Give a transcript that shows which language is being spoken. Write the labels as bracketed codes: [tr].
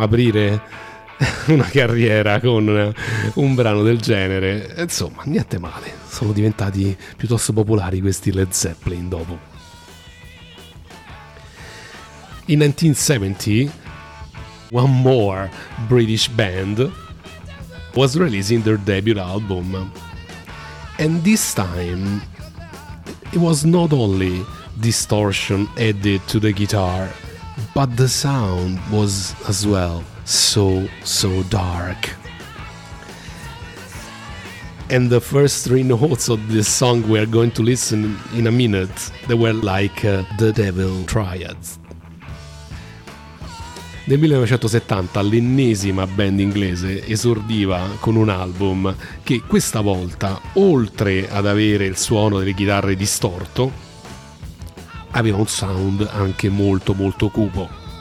[it] Aprire una carriera con un brano del genere, insomma, niente male. Sono diventati piuttosto popolari questi Led Zeppelin dopo. [en] In 1970, one more British band was releasing their debut album, and this time it was not only distortion added to the guitar, but the sound was as well so, so dark. And the first three notes of this song we are going to listen in a minute, they were like the Devil Triads. [it] Nel 1970 l'ennesima band inglese esordiva con un album che questa volta, oltre ad avere il suono delle chitarre distorto, aveva un sound anche molto molto cupo.